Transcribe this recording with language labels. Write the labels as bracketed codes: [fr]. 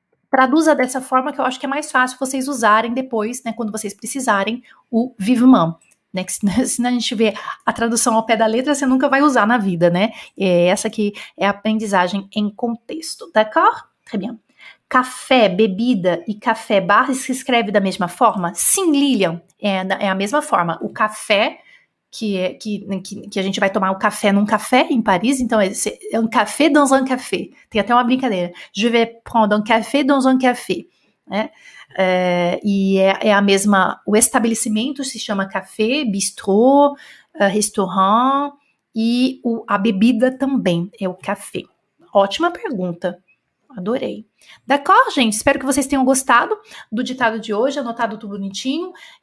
[pt] Traduza dessa forma que eu acho que é mais fácil vocês usarem depois, né, quando vocês precisarem o vivement, né, que senão a gente vê a tradução ao pé da letra, você nunca vai usar na vida, né, e essa aqui é a aprendizagem em contexto, [fr] d'accord? Très bien. [pt] Café, bebida e café bar se escreve da mesma forma? Sim, Lilian, é a mesma forma, o café... Que a gente vai tomar o café num café em Paris, então é um café [fr] dans un café. [pt] Tem até uma brincadeira. [fr] Je vais prendre un café dans un café. [pt] Né? E é a mesma. O estabelecimento se chama café, bistrot, restaurant, e a bebida também é o café. Ótima pergunta. Adorei. [fr] D'accord, [pt] gente? Espero que vocês tenham gostado do ditado de hoje, anotado tudo bonitinho.